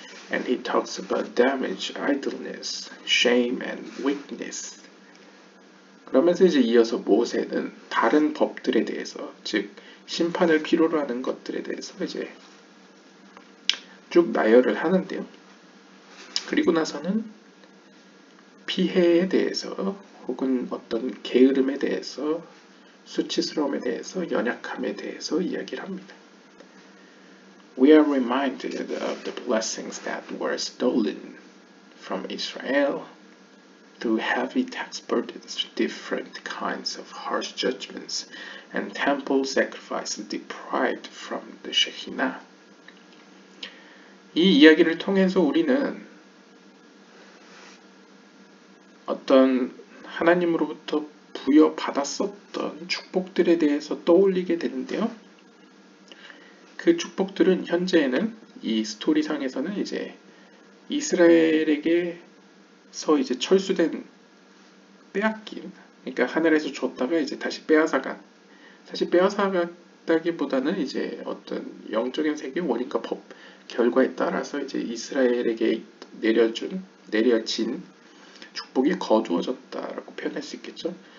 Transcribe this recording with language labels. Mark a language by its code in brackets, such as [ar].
[en] And he talks about damage, idleness, shame, and weakness. [ko] 그러면서 이제 이어서 모세는 다른 법들에 대해서, 즉 심판을 필요로 하는 것들에 대해서 이제 쭉 나열을 하는데요. 그리고 나서는 피해에 대해서 혹은 어떤 게으름에 대해서 수치스러움에 대해서, 연약함에 대해서 이야기를 합니다. [en] We are reminded of the blessings that were stolen from Israel through heavy tax burdens, different kinds of harsh judgments, and temple sacrifices deprived from the Shekhinah. [ko] 이 이야기를 통해서 우리는 어떤 하나님으로부터 부여받았었던 축복들에 대해서 떠올리게 되는데요. 그 축복들은 현재에는 이 스토리상에서는 이제 이스라엘에게서 이제 철수된 빼앗긴 그러니까 하늘에서 줬다가 이제 다시 빼앗아간 사실 빼앗아갔다기보다는 이제 어떤 영적인 세계 원인과 법 결과에 따라서 이제 이스라엘에게 내려진 축복이 거두어졌다라고 표현할 수 있겠죠.